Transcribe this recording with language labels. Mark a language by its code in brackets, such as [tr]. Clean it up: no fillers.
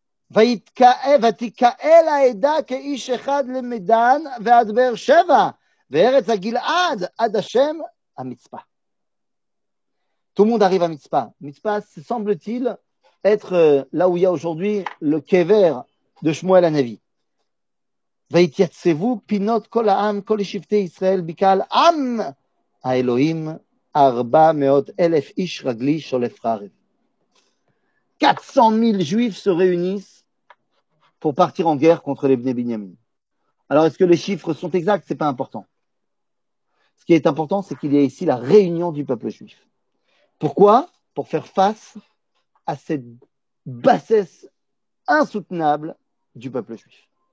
[he] ותקאל העדה כאיש אחד למדן ועד באר שבע וארץ הגלעד עד השם המצפה. [fr] Tout le monde arrive à Mitzpa. Mitzpa, semble-t-il, être là où il y a aujourd'hui le kever de Shmuel Hanavi. [he] ויתייצבו פינות כל העם כל שבטי ישראל בקהל עם האלוהים 400 אלף איש רגלי שולף חרב. [fr] 400 000 juifs se réunissent pour partir en guerre contre les Bnei Binyamin. Alors, est-ce que les chiffres sont exacts? Ce n'est pas important. Ce qui est important, c'est qu'il y a ici la réunion du peuple juif. Pourquoi? Pour faire face à cette bassesse insoutenable du peuple juif.